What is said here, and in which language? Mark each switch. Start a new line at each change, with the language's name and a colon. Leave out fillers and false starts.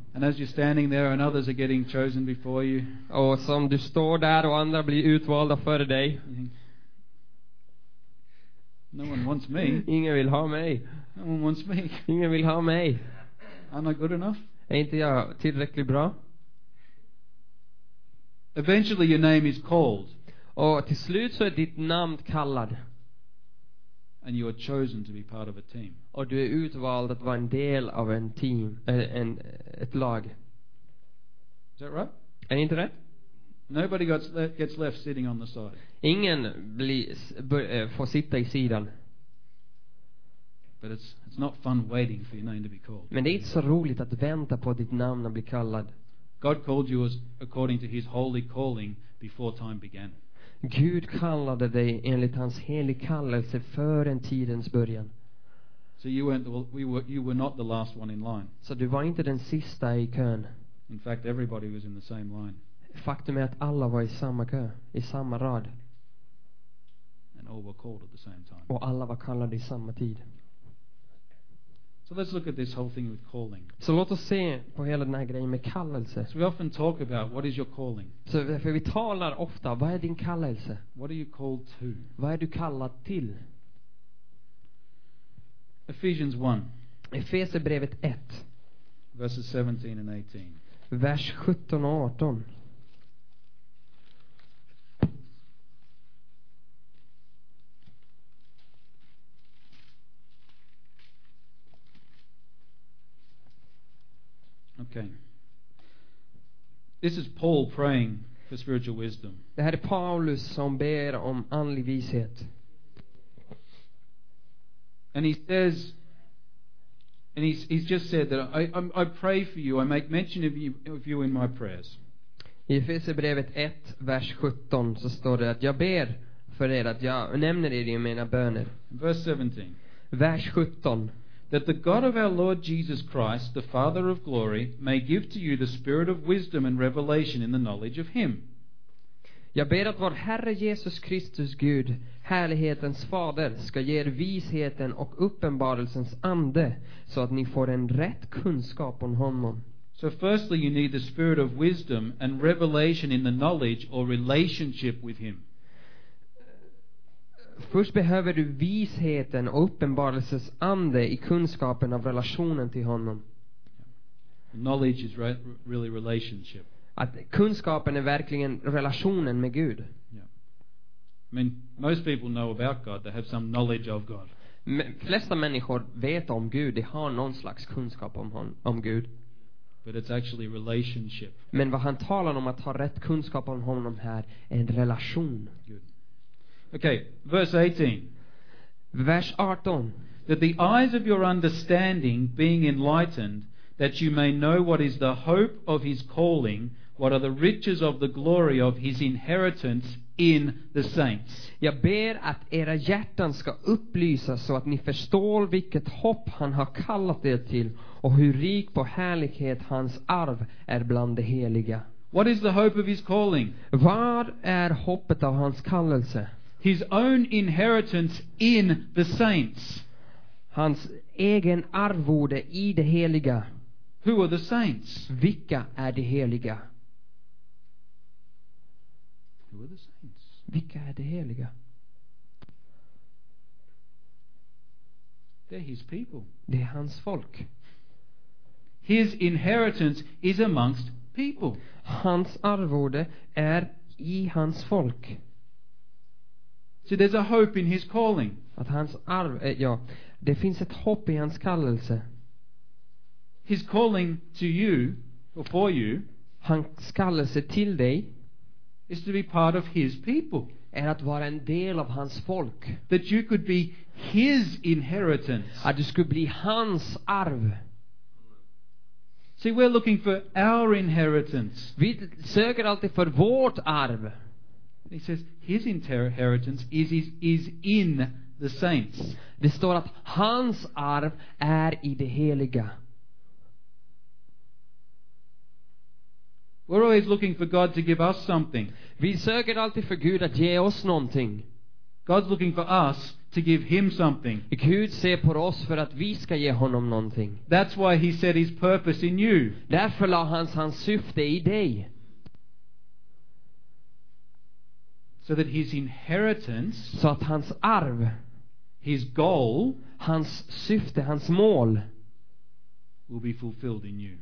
English: And as you're standing there and others are getting chosen before you.
Swedish: Och som du står där och andra blir utvalda före dig.
English: No one wants me.
Swedish: Ingen vill ha mig.
English: No one wants me.
Swedish: Ingen vill ha mig.
English: Am I good enough?
Swedish: Är inte jag tillräckligt bra?
English: Eventually your name is called.
Swedish: Och till slut så är ditt namn kallad.
English: And you are chosen to be part of a team.
Swedish: Och du är utvald att vara en del av en team, en ett lag.
English: Is that right?
Swedish: Är inte rätt?
English: Nobody gets left sitting on the side.
Swedish: Ingen får sitta i sidan.
English: But it's not fun waiting for your name to be called.
Swedish: Men det är inte så roligt att vänta på ditt namn att bli kallad.
English: God called you as according to His holy calling before time began.
Swedish: Gud kallade dig enligt hans helig kallelse före tidens början.
English: So you weren't you were not the last one in line.
Swedish: Så du var inte den sista i kön.
English: In fact, everybody was in the same line.
Swedish: Faktum är att alla var i samma kö, i samma rad.
English: And all were called at the same time.
Swedish: Och alla var kallade i samma tid.
English: So let's look at this whole thing with calling.
Swedish: Så låt oss se på hela den här grejen med kallelse.
English: So we often talk about what is your calling.
Swedish: Så för vi talar ofta, vad är din kallelse?
English: What are you called to?
Swedish: Vad är du kallad till?
English: Ephesians 1.
Swedish: Efesierbrevet 1.
English: Verses 17 and 18.
Swedish: Vers 17 och 18.
English: Okay. This is Paul praying for spiritual wisdom.
Swedish: Det här är Paulus som ber om andlig vishet.
English: And he says, and he's just said that I pray for you. I make mention of you in my prayers.
Swedish: I Efesierbrevet 1 vers 17 så står det att jag ber för er, att jag nämner er i mina böner.
English: Verse 17.
Swedish: Vers 17.
English: That the God of our Lord Jesus Christ, the Father of glory, may give to you the spirit of wisdom and revelation in the knowledge of Him.
Swedish: Jag ber att vår Herre Jesus Kristus Gud, härlighetens Fader, ska ge er visheten och uppenbarelsens ande, så att ni får en rätt kunskap om honom.
English: So firstly you need the spirit of wisdom and revelation in the knowledge or relationship with Him.
Swedish: Först behöver du visheten och uppenbarelsens ande i kunskapen av relationen till honom.
English: Knowledge is really relationship.
Swedish: Att kunskapen är verkligen relationen med Gud.
English: Yeah. I mean, most people know about God, they have some knowledge of God.
Swedish: Flesta människor vet om Gud, de har någon slags kunskap om Gud.
English: But it's actually relationship.
Swedish: Men vad han talar om, att ha rätt kunskap om honom här, är en relation.
English: Good. Okay, verse 18.
Swedish: Vers 18.
English: That the eyes of your understanding being enlightened, that you may know what is the hope of his calling, what are the riches of the glory of his inheritance in the saints.
Swedish: Jag ber att era hjärtan ska upplysas så att ni förstår vilket hopp han har kallat er till och hur rik på härlighet hans arv är bland de heliga.
English: What is the hope of his calling?
Swedish: Vad är hoppet av hans kallelse?
English: His own inheritance in the saints.
Swedish: Hans egen arvode i det heliga.
English: Who are the saints?
Swedish: Vilka är de heliga?
English: Who are the saints?
Swedish: Vilka är de heliga?
English: They're his people.
Swedish: Det är hans folk.
English: His inheritance is amongst people.
Swedish: Hans arvode är i hans folk.
English: So there's a hope in his calling.
Swedish: Att hans arv, ja, det finns ett hopp i hans kallelse.
English: His calling to you, or for you,
Swedish: hans kallelse till dig,
English: is to be part of his people.
Swedish: Är att vara en del av hans folk.
English: That you could be his inheritance.
Swedish: Att du skulle bli hans arv.
English: See, we're looking for our inheritance.
Swedish: Vi söker alltid för vårt arv.
English: He says his inheritance is in the saints.
Swedish: Det står att hans arv är i det heliga.
English: We're always looking for God to give us something.
Swedish: Vi söker alltid för Gud att ge oss någonting.
English: God's looking for us to give him something.
Swedish: Gud ser på oss för att vi ska ge honom någonting.
English: That's why he set his purpose in you.
Swedish: Därför la han hans syfte I dig.
English: So that his inheritance,
Swedish: så att hans arv,
English: his goal,
Swedish: hans syfte, hans mål,
English: will be fulfilled in you.